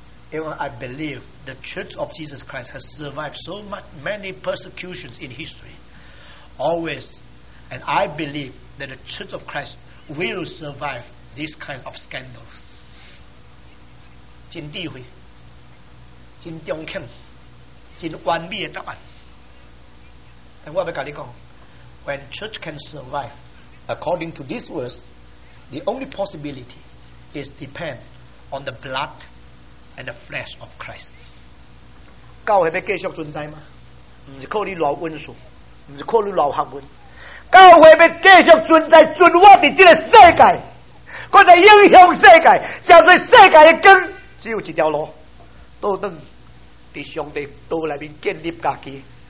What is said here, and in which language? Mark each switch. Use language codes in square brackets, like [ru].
[zh] 因为 [en] I believe the Church of Jesus Christ has survived so much many persecutions in history, always, and I believe that the Church of Christ will survive this kind of scandals。 [zh] 真智慧，真中肯，真完美的答案。我要跟你说， [en] When church can survive according to this verse, the only possibility is depend on the blood and the flesh of Christ. [zh] 教会要继续存在吗？不是靠你老温书，不是靠你老学问。教会要继续存在，存活在这个世界，或者影响世界，成为世界的根，只有一条路，都能在上帝道里面建立家己。